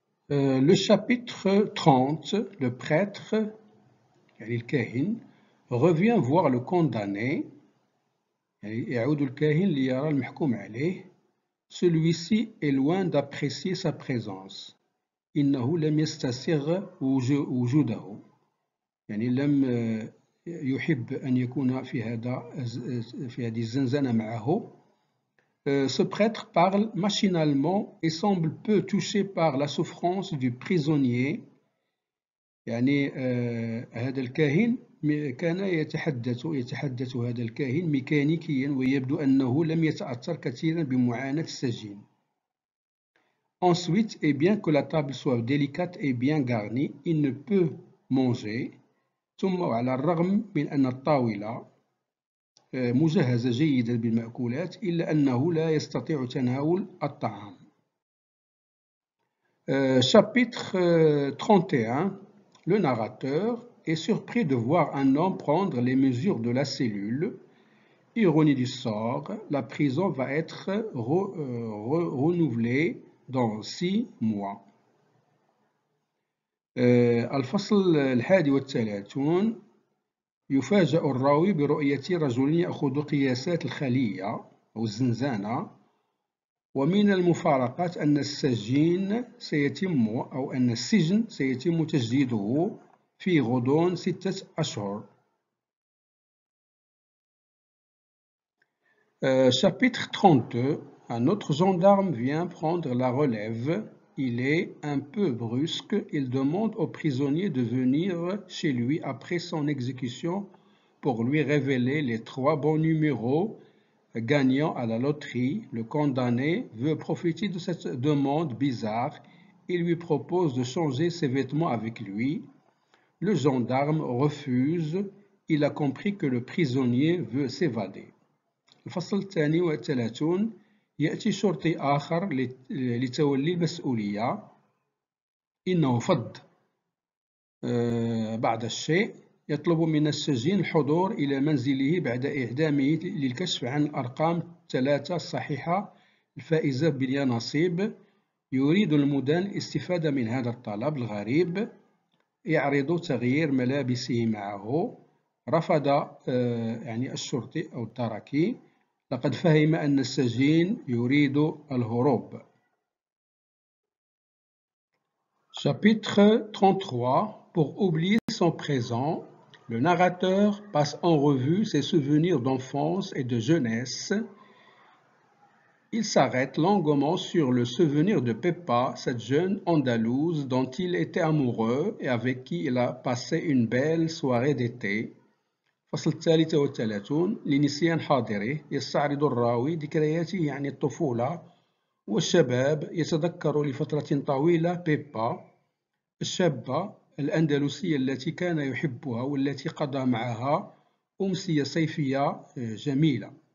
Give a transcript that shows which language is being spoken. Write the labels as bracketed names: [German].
[French] Le chapitre 30, le prêtre, [Arabic] يعني الكاهن, [French] revient voir le condamné, [Arabic] يعني يعود الكاهن ليرى المحكوم عليه. [French] Celui-ci est loin d'apprécier sa présence. [Arabic] إنه لم يستسغ وجوده. يعني لم يحب أن يكون في هذا في هذه الزنزانة معه. [French] Ce prêtre parle machinalement et semble peu touché par la souffrance du prisonnier. [Arabic] يعني هذا الكاهن كان يتحدث هذا الكاهن ميكانيكيا ويبدو أنه لم يتأثر كثيرا بمعاناة السجين. [French] Ensuite, et bien que la table soit délicate et bien garnie, il ne peut manger. [Arabic] ثم وعلى الرغم من أن الطاولة مجهزة جيدا بالمأكولات إلا أنه لا يستطيع تناول الطعام. [French] Chapitre 31, le narrateur est surpris de voir un homme prendre les mesures de la cellule. Ironie du sort, la prison va être renouvelée dans 6 mois. [Arabic] الفصل الحادي والثلاثون يفاجأ الراوي برؤية رجل يأخذ قياسات الخلية أو الزنزانة ومن المفارقات أن السجين سيتم أو أن السجن سيتم تجديده في غضون 6 أشهر. [French] Chapitre 32. Un autre gendarme vient prendre la relève. Il est un peu brusque. Il demande au prisonnier de venir chez lui après son exécution pour lui révéler les 3 bons numéros gagnants à la loterie. Le condamné veut profiter de cette demande bizarre. Il lui propose de changer ses vêtements avec lui. Le gendarme refuse. Il a compris que le prisonnier veut s'évader. [Arabic] الفصل الثاني والثلاثون يأتي شرطي آخر لتولي المسؤولية. إنه فض بعض الشيء. يطلب من السجين الحضور إلى منزله بعد إعدامه للكشف عن الأرقام 3 الصحيحة الفائزة باليانصيب. يريد المدان الاستفادة من هذا الطلب الغريب. يعرض تغيير ملابسه معه. رفض يعني الشرطي أو التركي. لقد فهم أن السجين يريد الهروب. [French] Chapitre 33. Pour oublier son présent, le narrateur passe en revue ses souvenirs d'enfance et de jeunesse. Il s'arrête longuement sur le souvenir de Pepa, cette jeune Andalouse dont il était amoureux et avec qui il a passé une belle soirée d'été. [Arabic] فصل 33 لنسيان حاضره يستعرض الراوي ذكرياته يعني الطفولة والشباب يتذكر لفترة طويلة بيبا الشابة الأندلسية التي كان يحبها والتي قضى معها أمسية صيفية جميلة.